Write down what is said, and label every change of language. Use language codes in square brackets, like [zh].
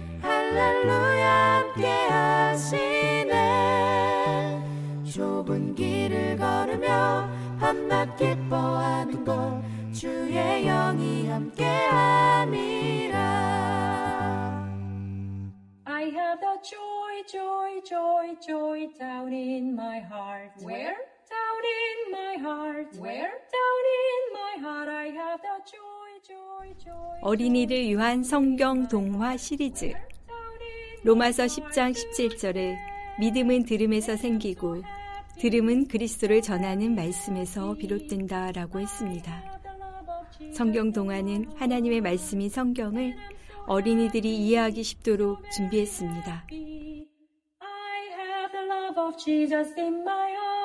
[ko] 할렐루야. 함께하시네. 좁은 길을 걸으며 밤낮 기뻐하는 것 주의 영이 함께함이라. [en] I have the joy, joy, joy, joy down in my heart. Where? Down in my heart. Where? Down in my heart. I have the joy, joy, joy. [ko] 어린이를 위한 성경 동화 시리즈. 로마서 10장 17절에 믿음은 들음에서 생기고 들음은 그리스도를 전하는 말씀에서 비롯된다 라고 했습니다. 성경 동화는 하나님의 말씀인 성경을 어린이들이 이해하기 쉽도록 준비했습니다. [en] I have the love of Jesus in my heart.